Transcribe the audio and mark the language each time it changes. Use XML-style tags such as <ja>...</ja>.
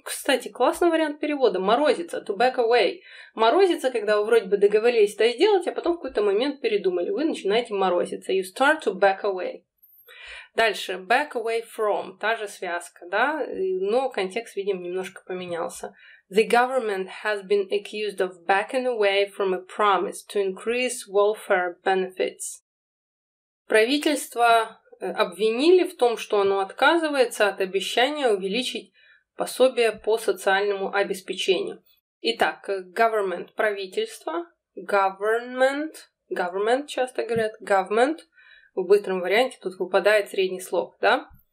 <ru>Кстати, классный вариант перевода, морозится, to back away. Морозится, когда вы вроде бы договорились это сделать, а потом в какой-то момент передумали, вы начинаете морозиться.</ru> <en>You start to back away.</en> <ru>Дальше, back away from, та же связка, да, но контекст, видим, немножко поменялся.</ru> <en>The government has been accused of backing away from a promise to increase welfare benefits.</en> <ru>Правительство обвинили в том, что оно отказывается от обещания увеличить пособие по социальному обеспечению. Итак, government – правительство, government – government часто говорят, government – в быстром варианте тут выпадает средний слог, да?</ru>